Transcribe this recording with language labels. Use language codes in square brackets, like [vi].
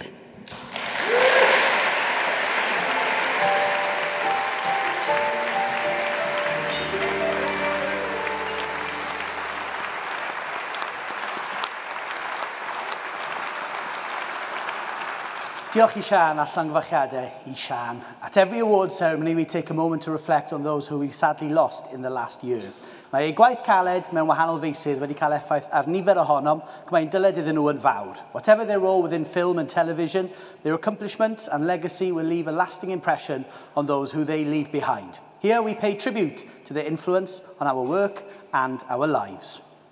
[cy] Diolch I Siân a'r llongyfarchiadau I Siân. [en] At every award ceremony, we take a moment to reflect on those who we've sadly lost in the last year. [cy] Mae eu gwaith caled mewn wahanol feisydd wedi cael effaith ar nifer ohonom, ac mae'n dyled iddyn nhw yn fawr. [en] Whatever their role within film and television, their accomplishments and legacy will leave a lasting impression on those who they leave behind. Here we pay tribute to their influence on our work and our lives.